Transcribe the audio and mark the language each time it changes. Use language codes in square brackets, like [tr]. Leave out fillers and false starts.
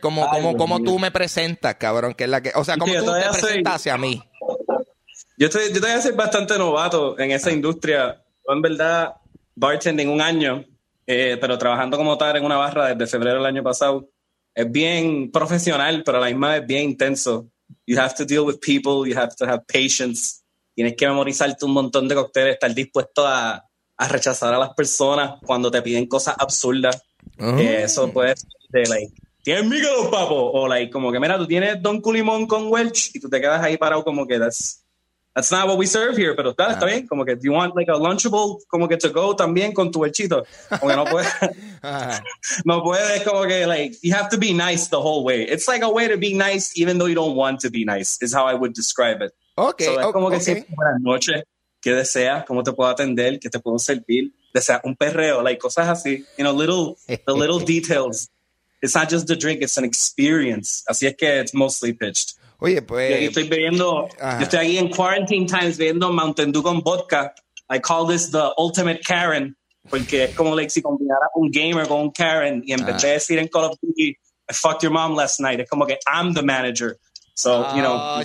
[es] Como tú me presentas, cabrón, que es la que, o sea, como tú te presentas hacia mí. Yo todavía soy bastante novato en esa industria. En verdad, bartending un año. Pero trabajando como tal en una barra desde febrero del año pasado, es bien profesional, pero a la misma es bien intenso. [en] You have to deal with people, you have to have patience. [es] Tienes que memorizarte un montón de cócteles, estar dispuesto a rechazar a las personas cuando te piden cosas absurdas. Eso puede ser de, like, ¿tienes Michelob, papo? O, like, como que, mira, tú tienes Don Culimón con Welch y tú te quedas ahí parado como que [en] That's not what we serve here, [es] pero está bien. Como que, [en] do you want like a lunchable, [es] como que [en] to go [es] también con tu huelchito? Como que no puede. No puede, como que, [en] like, you have to be nice the whole way. It's like a way to be nice, even though you don't want to be nice, is how I would describe it. Okay. [es] So, como que siempre, buenas noches, ¿qué deseas? ¿Cómo te puedo atender? ¿Qué te puedo servir? Desea un perreo, like, cosas así. [en] You know, the little details. It's not just the drink, it's an experience. [es] Así es que [en] it's mostly pitched. [es] Oye, pues. Yo estoy bebiendo. Yo estoy aquí en [en] quarantine times [es] bebiendo Mountain Dew con vodka. [en] I call this the ultimate Karen. [es] Porque es como, like, si combinara un gamer con un Karen y empecé a decir en Call of Duty, [en] I fucked your mom last night. [es] Es como que [en] I'm the manager. So, you know,